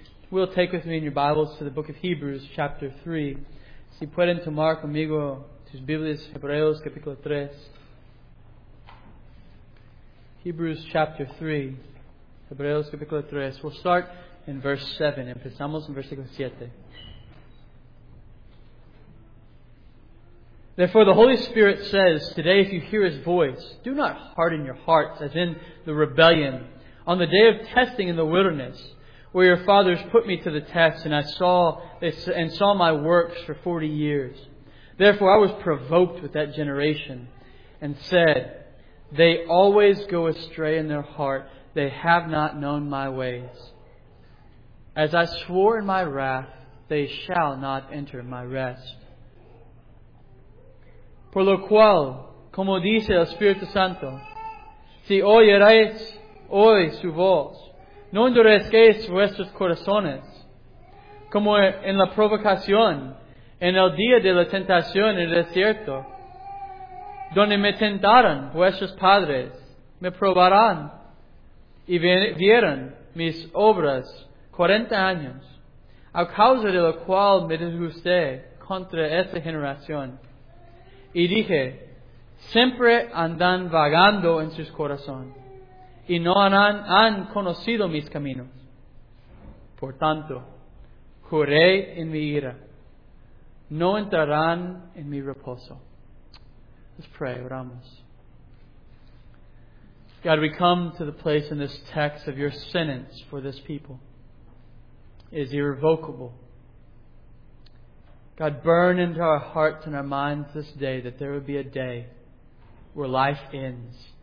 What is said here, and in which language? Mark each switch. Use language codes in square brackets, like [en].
[en] We'll take with me in your Bibles to the book of Hebrews, chapter 3. [es] Si pueden tomar conmigo sus Biblias, Hebreos, capítulo 3. [en] Hebrews, chapter 3. [es] Hebreos, capítulo 3. [en] We'll start in verse 7. [es] Empezamos en versículo 7. [en] Therefore, the Holy Spirit says, today, if you hear His voice, do not harden your hearts as in the rebellion on the day of testing in the wilderness, where your fathers put me to the test, and I saw this and saw my works for 40 years. Therefore, I was provoked with that generation and said, they always go astray in their heart. They have not known my ways. As I swore in my wrath, they shall not enter my rest. [es] Por lo cual, como dice el Espíritu Santo, si oyeréis hoy su voz, no endurezcáis vuestros corazones, como en la provocación, en el día de la tentación en el desierto, donde me tentaron vuestros padres, me probaron y vieron mis obras 40 años, a causa de lo cual me disgusté contra esta generación. Y dije, siempre andan vagando en sus corazones, y no han conocido mis caminos. Por tanto, juré en mi ira, no entrarán en mi reposo. [en] Let's pray, [es] oramos. [en] God, we come to the place in this text of your sentence for this people. It is irrevocable. God, burn into our hearts and our minds this day that there would be a day where life ends.